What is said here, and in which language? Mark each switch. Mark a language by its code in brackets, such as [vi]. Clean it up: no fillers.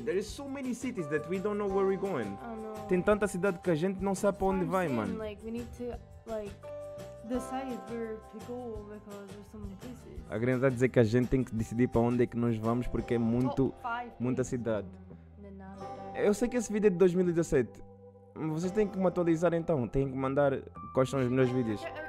[en] There is so many cities that we don't know where we're going. I know. [pt] Tem tanta cidade que a gente não sabe pra onde vai, mano. [en] Like, we need to, like, decide where to go because there's so many places. [pt] A grande está a dizer que a gente tem que decidir pra onde é que nós vamos porque é muito, muita cidade. Eu sei que esse vídeo é de 2017. Vocês têm que me atualizar então. Têm que mandar quais são os melhores vídeos.